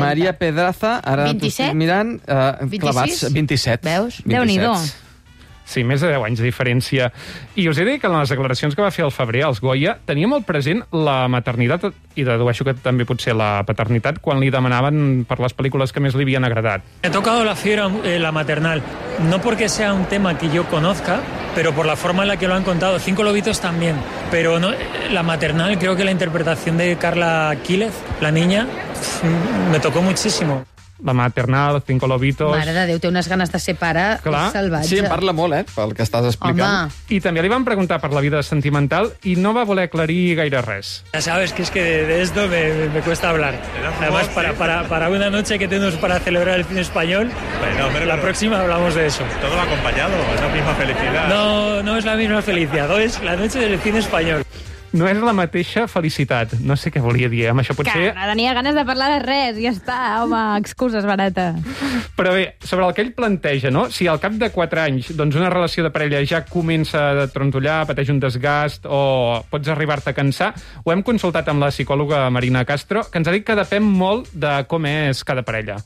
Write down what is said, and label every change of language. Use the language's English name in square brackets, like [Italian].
[Catalan] Maria Pedraza, ara t'ho estic mirant, clavats, 27. Veus? Déu-n'hi-do. Sí, més de 10 anys de diferència. I us he dit que en les declaracions que va fer el febrer als Goya tenia molt present la maternitat, i dedueixo que també potser la paternitat, quan li demanaven per les pel·lícules que més li havien agradat. [Spanish] He tocado la fibra, la maternal, no porque sea un tema que yo conozca, pero por la forma en la que lo han contado. Cinco lobitos también, pero no, la maternal, creo que la interpretación de Carla Quílez, la niña, me tocó muchísimo. La maternal, Cinco Lobitos... [Catalan] Mare de Déu, té unes ganes de ser pare. Clar, salvatge. Sí, en parla molt, pel que estàs explicant. Home. I també li van preguntar per la vida sentimental i no va voler aclarir gaire res. [Spanish] Ya sabes que es que de esto me cuesta hablar. Además, para una noche que tenemos para celebrar el cine español, bueno, la próxima hablamos de eso. Todo acompañado, es la misma felicidad. No es la misma felicidad, es la noche del cine español. [Catalan] No és la mateixa felicitat. No sé què volia dir amb això, potser... Que no tenia ganes de parlar de res, ja està, home, excuses barata. Però bé, sobre el que ell planteja, no? Si al cap de 4 anys doncs una relació de parella ja comença a trontollar, pateix un desgast o pots arribar-te a cansar, ho hem consultat amb la psicòloga Marina Castro, que ens ha dit que depèn molt de com és cada parella.